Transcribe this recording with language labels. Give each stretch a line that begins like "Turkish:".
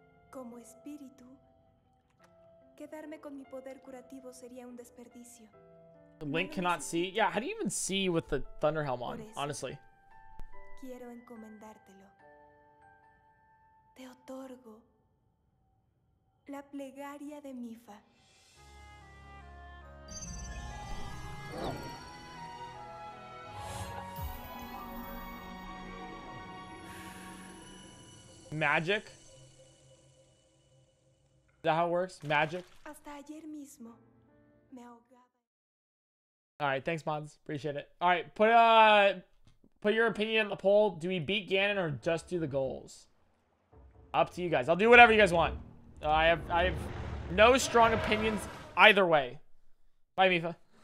Spanish: Como espíritu, quedarme con mi poder curativo sería un desperdicio.
English: Link cannot see. Yeah, how do you even see with the thunder helm on, honestly?
Spanish: Quiero encomendártelo. Te otorgo la plegaria de Mifa.
English: Magic? Is that how it works? Magic?
Spanish: Hasta ayer mismo me ahogué.
English: Alright, thanks mods. Appreciate it. Alright, put your opinion in the poll. Do we beat Ganon or just do the goals? Up to you guys. I'll do whatever you guys want. I have no strong opinions either way. Bye, Mifa.